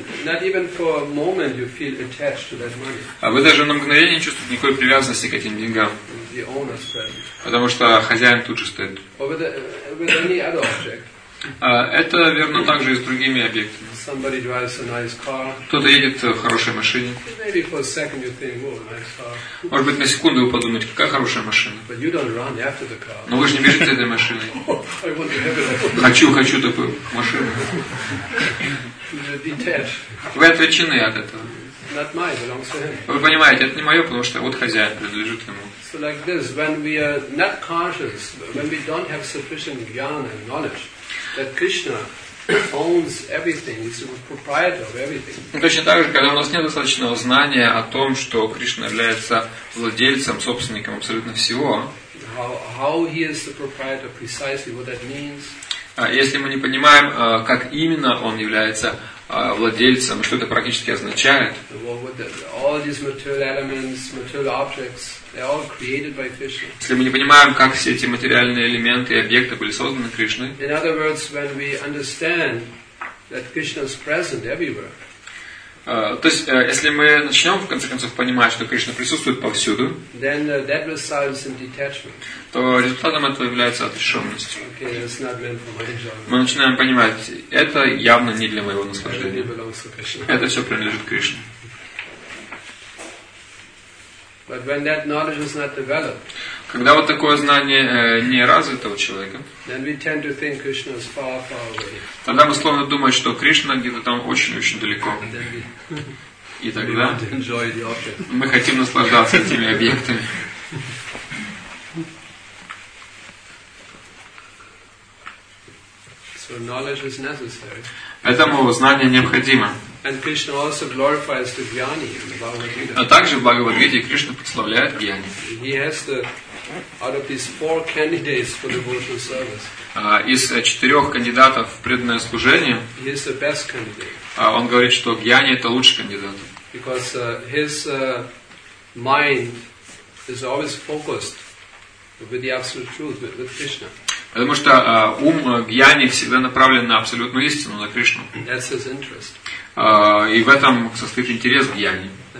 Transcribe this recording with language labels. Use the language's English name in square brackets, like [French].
[English] Not even for a moment you feel attached to that money. [Russian] А вы даже на мгновение не чувствуете никакой привязанности к этим деньгам. [English] The owner's present. [Russian] Потому что хозяин тут же стоит. [English] With any other object. [Russian] Это верно также и с другими объектами. [English] Somebody drives a nice car. [Russian] Кто-то едет в хорошей машине. [English] Maybe for a second you think, oh, nice car. [Russian] Может быть, на секунду вы подумаете, какая хорошая машина. [English] But you don't run after the car. [Russian] Но вы же не бежите этой машиной. [English] Oh, I want to have it. [Russian] Хочу такую машину. [English] Detached. [Russian] Вы отвлечены от этого. [English] Not mine, belongs to him. [Russian] Вы понимаете, это не мое, потому что вот хозяин принадлежит ему. [English] So like this, when we are not conscious, when we don't have sufficient jnana and knowledge that Krishna owns everything, he's the proprietor of everything. [Russian] Точно так же, когда у нас нет достаточного знания о том, что Кришна является владельцем, собственником абсолютно всего. [English] How he is the proprietor, precisely what that means. [Russian] Если мы не понимаем, как именно он является владельцем, что это практически означает. [English] All these material elements, material objects, they're all created by Krishna. [Russian] Если мы не понимаем, как все эти материальные элементы и объекты были созданы Кришной. [English] In other words, when we understand that Krishna is present everywhere. [Russian] То есть, если мы начнем, в конце концов, понимать, что Кришна присутствует повсюду, [English] then, that results in detachment. [Russian] То результатом этого является отрешенность. [English] Okay, it's not meant for my enjoyment. [Russian] Мы начинаем понимать, это явно не для моего наслаждения. Это все принадлежит Кришне. [English] But when that knowledge is not developed, [Russian] когда вот такое знание не развито у человека, [English] then we tend to think Krishna is far, far away. [Russian] Тогда мы словно думаем, что Кришна где-то там очень-очень далеко. И тогда мы хотим наслаждаться этими объектами. [English] So knowledge is necessary. [Russian] Поэтому знание необходимо. [English] And Krishna also glorifies the jnani in the Bhagavad Gita. [Russian] А также в Бхагавад Гите Кришна прославляет джняни. [English] He has the out of these four candidates for devotional service. [Russian] Из четырех кандидатов в преданное служение. [English] He is the best candidate. [Russian] Он говорит, что джняни это лучший кандидат. [English] Because his mind is always focused with the absolute truth, with Krishna. [Russian] Потому что ум джняни всегда направлен на абсолютную истину, на Кришну. [English] And that's his interest. [Russian] И в этом состоит интерес джняни.